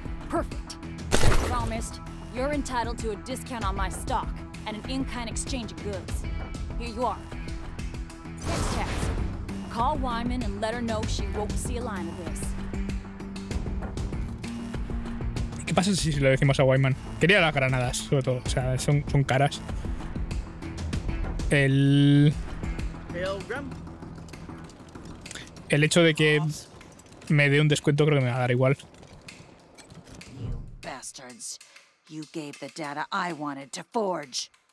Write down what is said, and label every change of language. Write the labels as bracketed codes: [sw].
[en] Perfect. Promised, you're entitled to a discount on my stock and an in-kind exchange of goods. Here you are. Next task. Call Wyman and let her know she won't see a line of this. [es] ¿Qué pasa si le decimos a Wyman? Quería las granadas, sobre todo. O sea, son caras. El hecho de que me dé un descuento creo que me va a dar igual. [en] You bastards. You gave the data I wanted to Forge.